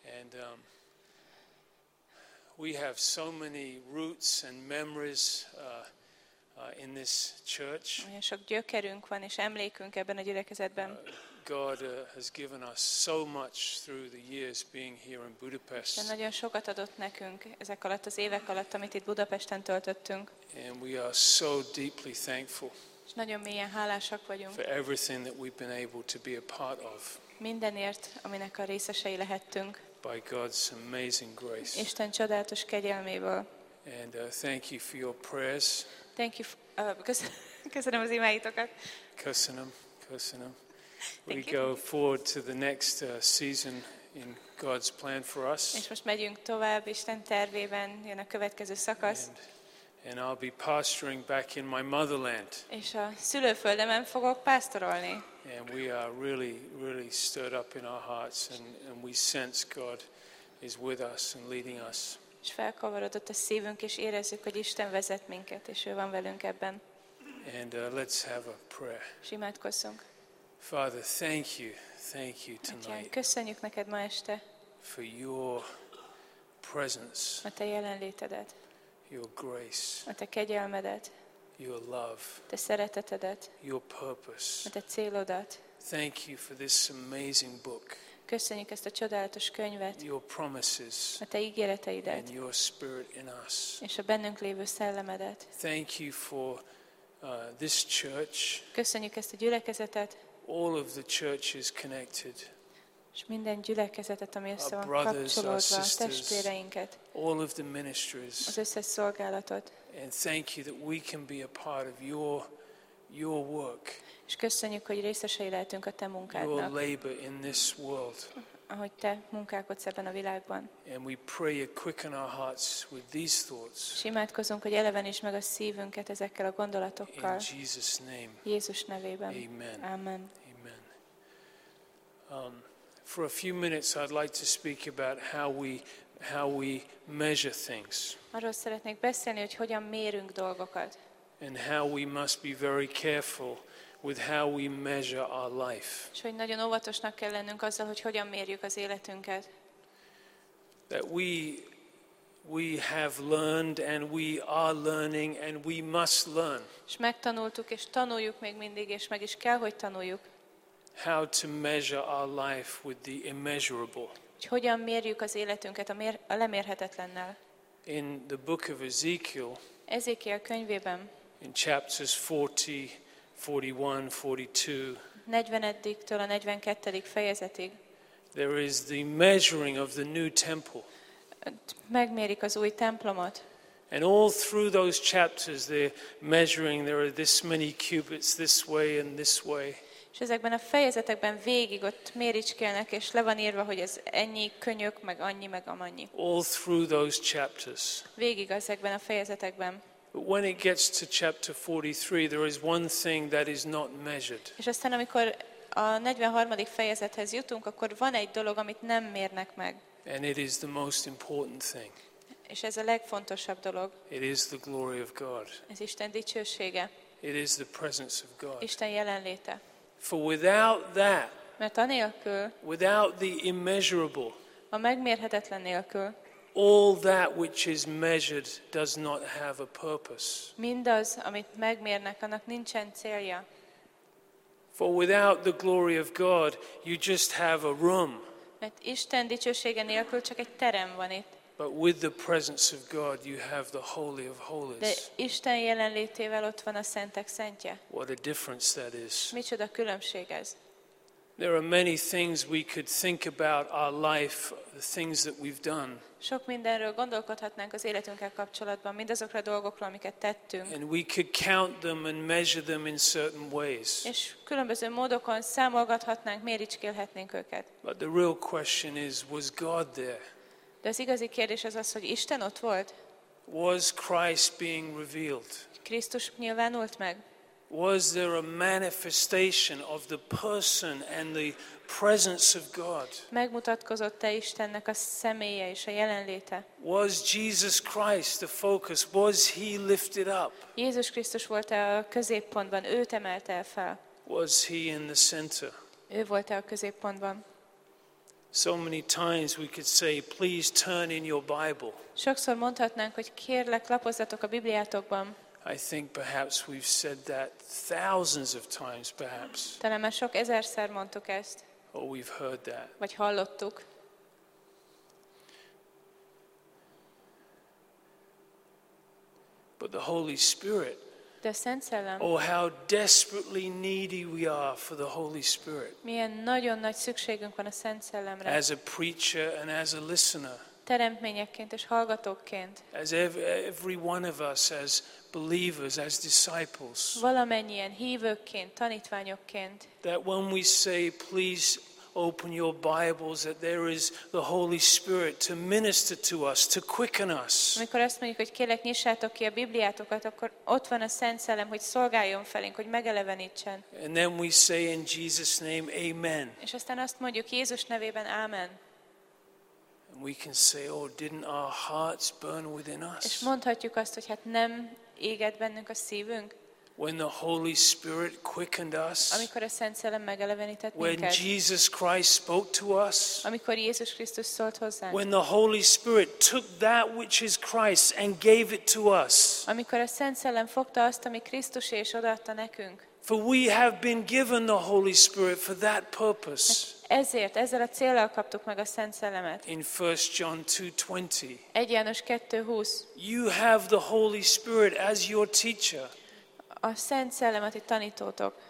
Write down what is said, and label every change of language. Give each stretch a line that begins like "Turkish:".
English: And we have so many roots and memories in this church.
Hungarian: Olyan sok gyökerünk van és emlékünk ebben a gyülekezetben.
English: God has given us so much through the years being here in Budapest.
Hungarian: Isten nagyon sokat adott nekünk ezek alatt az évek alatt, amit itt Budapesten töltöttünk.
English: And we are so deeply thankful.
Hungarian: És nagyon mélyen hálásak vagyunk.
English: For everything that we've been able to be a part of.
Hungarian: Mindenért, aminek a részesei lehettünk.
English: By God's amazing grace.
Hungarian: Isten csodálatos kegyelméből.
English: And thank you for your prayers. Thank you.
Hungarian: Köszönöm az imáitokat. Köszönöm.
English: We go forward to the next season in God's plan for us.
Hungarian: És most megyünk tovább Isten tervében, jön a következő szakasz.
English: And I'll be pastoring back in my motherland.
Hungarian: És a szülőföldemen fogok pásztorolni.
English: And we are really, really stirred up in our hearts, and we sense God is with us and leading us.
Hungarian: És felkavarodott a szívünk, és érezzük, hogy Isten vezet minket, és ő van velünk ebben.
English: And let's have a prayer.
Hungarian: És imádkozzunk.
English: Father, thank you tonight.
Hungarian: Atyám, köszönjük neked ma este.
English: For your presence.
Hungarian: A te jelenlétedet.
English: Your grace.
Hungarian: A te kegyelmedet.
English: Your love.
Hungarian: Te szeretetedet.
English: Your purpose.
Hungarian: A te célodat.
English: Thank you for this amazing book.
Hungarian: Köszönjük ezt a csodálatos könyvet.
English: Your promises.
Hungarian: A te ígéreteidet.
English: And your spirit in us.
Hungarian: És a bennünk lévő szellemedet.
English: Thank you for this church.
Hungarian: Köszönjük ezt a gyülekezetet.
English: All of the churches connected.
Hungarian: És minden gyülekezetet, ami össze van kapcsolódva, testvéreinket.
English: All of the ministries.
Hungarian: Az összes szolgálatot.
English: And thank you that we can be a part of your work.
Hungarian: És köszönjük, hogy részesei lehetünk a te munkádnak.
English: Your labor in this world.
Hungarian: Ahogy te munkálkodsz ebben a világban.
English: And we pray you quicken our hearts with these thoughts.
Hungarian: És imádkozunk, hogy elevenítsd meg a szívünket ezekkel a gondolatokkal.
English: In Jesus name.
Hungarian: Jézus nevében.
English: Amen.
Hungarian: Amen. Amen.
English: For a few minutes I'd like to speak about how we measure things.
Hungarian: Arról szeretnék beszélni, hogy hogyan mérünk dolgokat.
English: And how we must be very careful with how we measure our life.
Hungarian: És hogy nagyon óvatosnak kell lennünk azzal, hogy hogyan mérjük az életünket.
English: That we have learned and we are learning and we must learn.
Hungarian: És megtanultuk és tanuljuk még mindig és meg is kell, hogy tanuljuk.
English: How to measure our life with the immeasurable.
Hungarian: Hogy hogyan mérjük az életünket a lemérhetetlennel.
English: In the book of Ezekiel.
Hungarian: Ezékiel könyvében.
English: In chapters 40, 41, 42.
Hungarian: 40-től a 42. fejezetig.
English: There is the measuring of the new temple.
Hungarian: Megmérik az új templomot.
English: And all through those chapters they're measuring, there are this many cubits this way and this way.
Hungarian: És ezekben a fejezetekben végig ott méricskélnek, és le van írva, hogy ez ennyi könyök, meg annyi, meg amannyi.
English: All through those chapters.
Hungarian: Végig ezekben a fejezetekben.
English: But when it gets to chapter 43, there is one thing that is not measured.
Hungarian: És aztán, amikor a 43. fejezethez jutunk, akkor van egy dolog, amit nem mérnek meg.
English: And it is the most important thing.
Hungarian: És ez a legfontosabb dolog.
English: It is the glory of God.
Hungarian: Ez Isten dicsősége.
English: It is the presence of God.
Hungarian: Isten jelenléte.
English: For without that,
Hungarian: mert anélkül,
English: without the immeasurable,
Hungarian: a megmérhetetlen nélkül,
English: all that which is measured does not have a purpose.
Hungarian: Mindaz, amit megmérnek, annak nincsen célja.
English: For without the glory of God, you just have a room.
Hungarian: Mert Isten dicsősége nélkül csak egy terem van itt.
English: But with the presence of God, you have the Holy of Holies.
Hungarian: De Isten jelenlétével ott van a Szentek Szentje.
English: What a difference that is.
Hungarian: Micsoda különbség ez.
English: There are many things we could think about our life, the things that we've done.
Hungarian: Sok mindenről gondolkodhatnánk az életünkkel kapcsolatban, mindazokra a dolgokra, amiket tettünk.
English: And we could count them and measure them in certain ways.
Hungarian: És különböző módokon számolgathatnánk, méricskélhetnénk őket.
English: But the real question is, was God there?
Hungarian: De az igazi kérdés az az, hogy Isten ott volt?
English: Was Christ being revealed?
Hungarian: Krisztus nyilvánult meg?
English: Was there a manifestation of the person and the presence of God?
Hungarian: Megmutatkozott-e Istennek a személye és a jelenléte?
English: Was Jesus Christ the focus? Was he lifted up?
Hungarian: Jézus Krisztus volt a középpontban, őt emelte fel.
English: Was he in the center?
Hungarian: Ő volt a középpontban.
English: So many times we could say, please turn in your Bible.
Hungarian: Sokszor mondhatnánk, hogy kérlek, lapozzatok a Bibliátokban.
English: I think perhaps we've said that thousands of times, perhaps.
Hungarian: Talán már sok ezerszer mondtuk ezt.
English: Or we've heard that.
Hungarian: Vagy hallottuk.
English: But the Holy Spirit.
Hungarian: De a Szent Szellem.
English: Oh, how desperately needy we are for the Holy Spirit.
Hungarian: Milyen nagyon nagy szükségünk van a Szent Szellemre.
English: As a preacher and as a listener.
Hungarian: Teremtményekként és hallgatókként.
English: As every one of us as believers, as disciples.
Hungarian: Valamennyien hívőként, tanítványokként.
English: That when we say, please open your Bibles, that there is the Holy Spirit to minister to us, to quicken us.
Hungarian: Amikor azt mondjuk, hogy kérlek, nyissátok ki a Bibliátokat, akkor ott van a Szent Szellem, hogy szolgáljon felénk, hogy megelevenítsen.
English: And then we say in Jesus' name, amen.
Hungarian: És aztán azt mondjuk Jézus nevében, amen.
English: And we can say, oh, didn't our hearts burn within us?
Hungarian: És mondhatjuk azt, hogy hát nem éget bennünk a szívünk.
English: When the Holy Spirit quickened us.
Hungarian: Amikor a Szent Szellem megelevenített minket.
English: When Jesus Christ spoke to us.
Hungarian: Amikor Jézus Krisztus szólt hozzánk.
English: When the Holy Spirit took that which is Christ and gave it to us.
Hungarian: Amikor a Szent Szellem fogta azt, ami Krisztus és odaadta nekünk.
English: For we have been given the Holy Spirit for that purpose.
Hungarian: Ezért, ezzel a céllal kaptuk meg a Szent Szellemet.
English: In 1 John 2:20.
Hungarian: 1 János 2:20.
English: You have the Holy Spirit as your teacher.
Hungarian: A Szent Szellemet itt tanítótok.